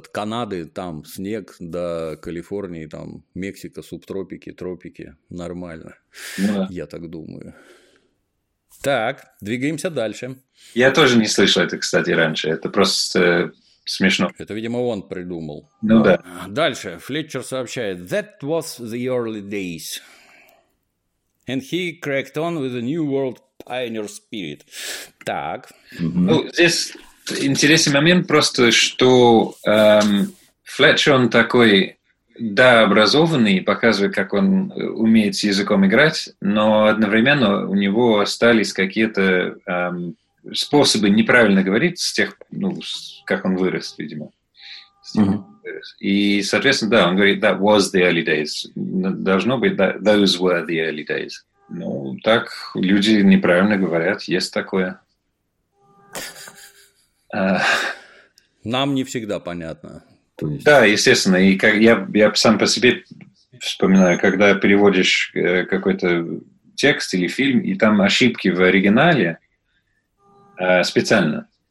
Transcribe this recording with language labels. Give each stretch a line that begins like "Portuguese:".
Russian: От Канады там снег до Калифорнии, там Мексика, субтропики, тропики, нормально, я так думаю. Так, двигаемся дальше. Я тоже не слышал это, кстати, раньше, это просто... Смешно. Это, видимо, он придумал. Ну да. Дальше, Флетчер сообщает:
English: «That was the early days». And he cracked on with a new world pioneer spirit.
Russian: Так. Mm-hmm. Ну, здесь интересный момент просто, что Флетчер, он такой, да, образованный, показывает, как он умеет с языком играть, но одновременно у него остались какие-то способы неправильно говорить с тех, ну, как он вырос, видимо. И, соответственно, да, он говорит,
English: that was the early days.
Russian: Должно быть,
English: that those were the early days.
Russian: Ну, так люди неправильно говорят, есть такое. Нам не всегда понятно. Да, естественно. И как я сам по себе вспоминаю, когда переводишь какой-то текст или фильм, и там ошибки в оригинале специально.